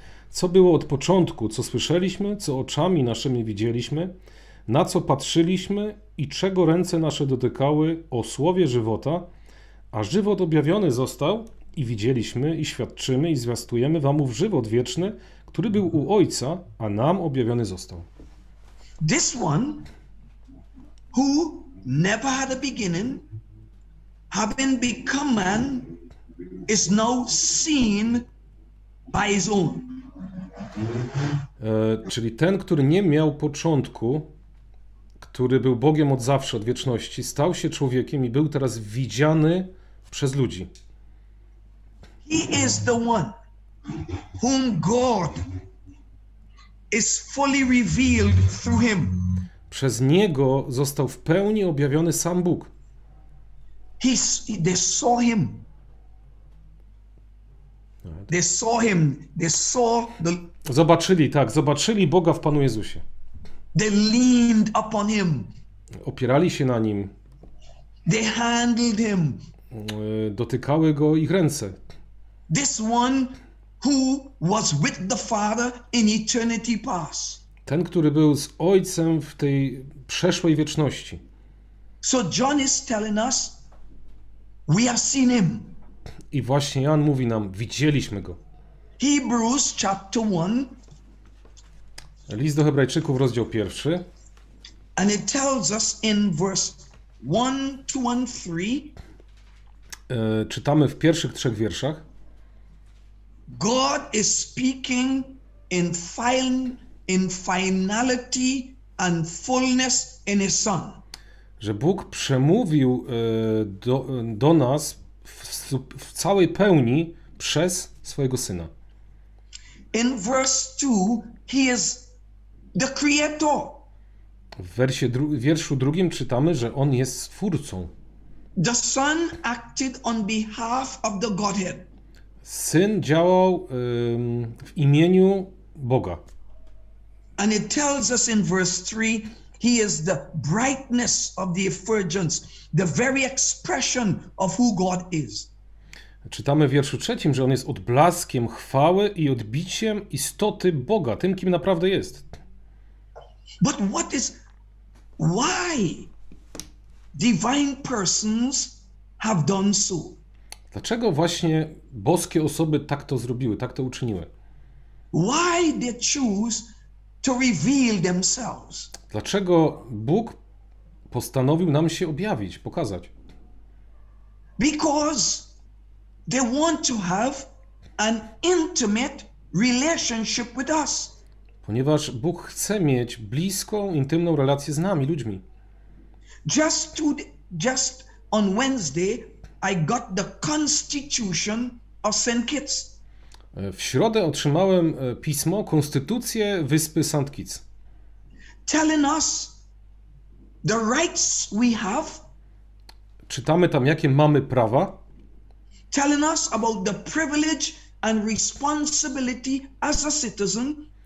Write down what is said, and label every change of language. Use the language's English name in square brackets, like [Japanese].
[Polish] Co było od początku, co słyszeliśmy, co oczami naszymi widzieliśmy, na co patrzyliśmy i czego ręce nasze dotykały o słowie żywota, a żywot objawiony został i widzieliśmy i świadczymy i zwiastujemy wam ów żywot wieczny, który był u Ojca, a nam objawiony został. [English] This one who never had a beginning, having become man, is now seen by his own. [Polish] Czyli ten, który nie miał początku, który był Bogiem od zawsze, od wieczności, stał się człowiekiem i był teraz widziany przez ludzi. [English] He is the one whom God is fully revealed through him. [Polish] Przez niego został w pełni objawiony sam Bóg. [English] They saw him. They saw him. They saw the... [Polish] Zobaczyli, tak, zobaczyli Boga w Panu Jezusie. [English] They leaned upon him. [Polish] Opierali się na nim. [English] They handled him. [Polish] Dotykały go ich ręce. [English] This one who was with the Father in eternity past. [Polish] Ten, który był z Ojcem w tej przeszłej wieczności. [English] So John is telling us, we have seen him. [Polish] I właśnie Jan mówi nam, widzieliśmy go. [English] Hebrews chapter 1. [Polish] List do Hebrajczyków, rozdział 1. [English] And it tells us in verse 1, 2 and 3. [Polish] Czytamy w pierwszych trzech wierszach. [English] God is speaking in finality and fullness in his son. [Polish] Że Bóg przemówił do nas w całej pełni przez swojego syna. [English] In verse 2 he is the creator. [Polish] wierszu drugim czytamy, że on jest twórcą. [English] The Son acted on behalf of the Godhead. [Polish] Syn działał w imieniu Boga. [English] And it tells us in verse 3, he is the brightness of the effulgence, the very expression of who God is. [Polish] Czytamy w wierszu trzecim, że on jest odblaskiem chwały i odbiciem istoty Boga, tym kim naprawdę jest. [English] But what is, why divine persons have done so? [Polish] Dlaczego właśnie boskie osoby tak to zrobiły, tak to uczyniły? [English] Why they choose to reveal themselves? [Polish] Dlaczego Bóg postanowił nam się objawić, pokazać? [English] Because they want to have an intimate relationship with us. [Polish] Ponieważ Bóg chce mieć bliską, intymną relację z nami, ludźmi. [English] Just on Wednesday I got the Constitution of St. Kitts. [Polish] W środę otrzymałem pismo Konstytucję Wyspy St. Kitts. [English] Telling us the rights we have. [Polish] Czytamy tam, jakie mamy prawa. [English] Telling us about the privilege and responsibility as a citizen.